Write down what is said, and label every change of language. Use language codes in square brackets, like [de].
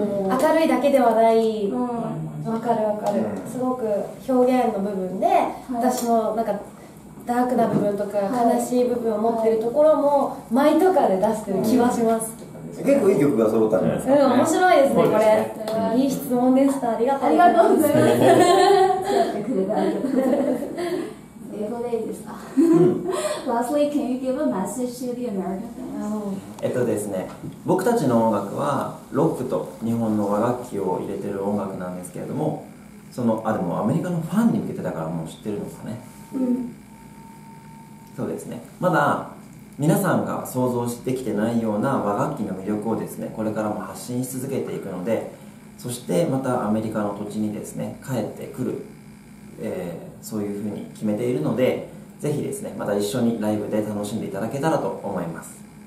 [ja] 明るいだけではない。わかるわかる。すごく表現の部分で、私のなんか、ダークな部分とか悲しい部分を持ってるところも舞とかで出してる気はします、うん、結構いい曲が揃ったんじゃないですか、ね、うん、面白いですね、これ、いい質問でした、ありがとうございます、ありがとうございます、ありがとうございます、英語でいいですか、うん、 [en] Lastly, can you give a message to the American fans? [ja] ですね、僕たちの音楽はロックと日本の和楽器を入れてる音楽なんですけれども、そのあ、でもアメリカのファンに向けてだからもう知ってるのかね、うん、そうですね、まだ皆さんが想像してきてないような和楽器の魅力をですね、これからも発信し続けていくので、そしてまたアメリカの土地にですね帰ってくる、そういうふうに決めているので、ぜひですねまた一緒にライブで楽しんでいただけたらと思います。